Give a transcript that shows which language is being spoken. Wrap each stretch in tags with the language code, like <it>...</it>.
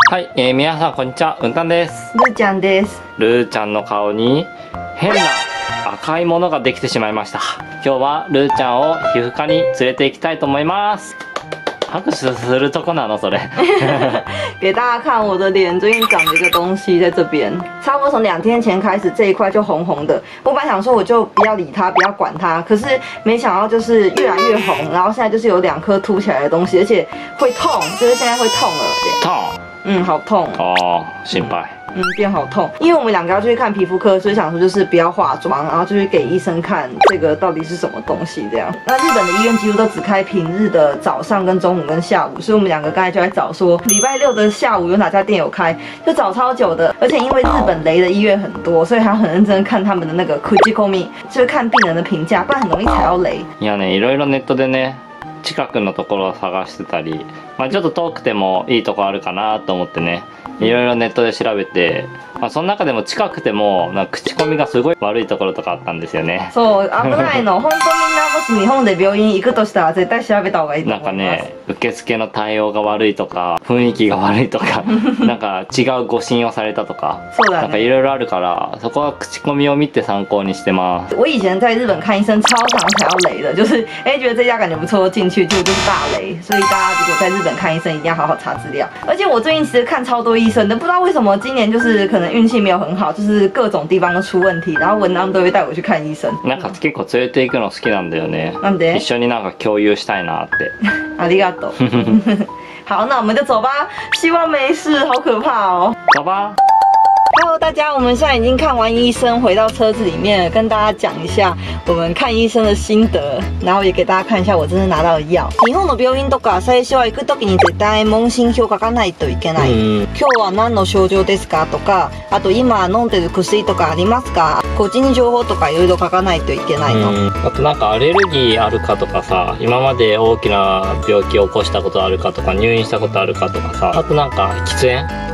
<ja>はい、皆さんこんにちは、うんたんです。るーちゃんです。るーちゃんの顔に変な赤いものができてしまいました。今日はるーちゃんを皮膚科に連れて行きたいと思います。拍手するとこなのそれ。</ja> <zh>给大家看我的脸，最近长了一个东西在这边，差不多从两天前开始，这一块就红红的。我本来想说我就不要理它，不要管它，可是没想到就是越来越红，然后现在就是有两颗凸起来的东西，而且会痛，就是现在会痛了。痛？嗯，好痛。</zh> <ja>哦，心配。</ja> <zh>变好痛，因为我们两个要去看皮肤科，所以想说就是不要化妆，然后就去给医生看这个到底是什么东西这样。那日本的医院几乎都只开平日的早上跟中午跟下午，所以我们两个刚才就在找说礼拜六的下午有哪家店有开，就找超久的。而且因为日本雷的医院很多，所以还要很认真看他们的那个 Kujikomi， 就是看病人的评价，不然很容易踩到雷。</zh> <ja>いやね、いろいろネットでね、近くのところを探してたり、まあちょっと遠くてもいいとこあるかなと思ってね。いろいろネットで調べて、まあ、その中でも近くても、なんか口コミがすごい悪いところとかあったんですよね。そう、危ないの。本当にみんな、もし日本で病院行くとしたら、絶対調べた方がいいと思います。なんかね、受付の対応が悪いとか、雰囲気が悪いとか、なんか違う誤診をされたとか、そうだね。なんかいろいろあるから、そこは口コミを見て参考にしてます。</ja> <zh>我以前在日本看医生超常踩到雷的、就是、觉得这家感觉不错、进去、就是大雷。所以大家如果在日本看医生、一定要好好查资料。而且我最近其实看超多医生的、不知道为什么今年就是可能运气没有很好，就是各种地方都出问题，然后文章都会带我去看医生。</zh> <ja>なんか結構連れて行くの好きなんだよね。なんで？一緒になんか共有したいなって。ありがとう。</ja> <zh>好，那我们就走吧。希望没事，好可怕哦。走吧。 Hello， 大家，我们现在已经看完医生，回到车子里面，跟大家讲一下我们看医生的心得，然后也给大家看一下我真的拿到的药。</zh> <ja>日本の病院とか最初は行くときに絶対問診票書かないといけない。今日は何の症状ですかとか、あと今飲んでる薬とかありますか。個人情報とかいろいろ書かないといけないの。あとなんかアレルギーあるかとかさ、今まで大きな病気を起こしたことあるかとか、入院したことあるかとかさ、あとなんか喫煙。</ja>